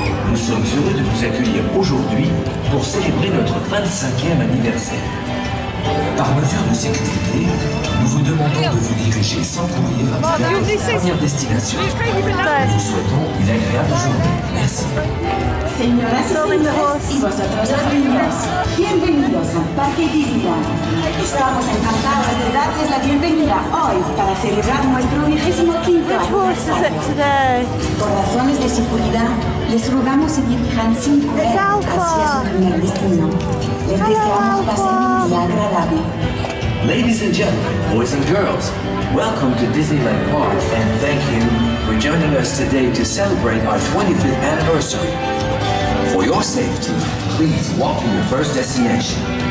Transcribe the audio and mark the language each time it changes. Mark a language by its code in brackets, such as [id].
[fr] Nous sommes heureux de vous accueillir aujourd'hui pour célébrer notre 25e anniversaire. Par mesure de sécurité, nous vous demandons de vous diriger sans courrier vers notre dernière destination. Nous vous souhaitons une agréable journée. Merci. [es] Señoras y señores, y vosotros amigos, bienvenidos al Parque Disneyland. Estamos encantados de darles la bienvenida hoy para celebrar nuestro 25º aniversario. Por razones de seguridad, les rogamos seguir viajando sin correr hacia su primer destino. Les deseamos pasar un día agradable. [en] Ladies and gentlemen, boys and girls, welcome to Disneyland Park and thank you for joining us today to celebrate our 25th anniversary. For your safety, please walk to your first destination.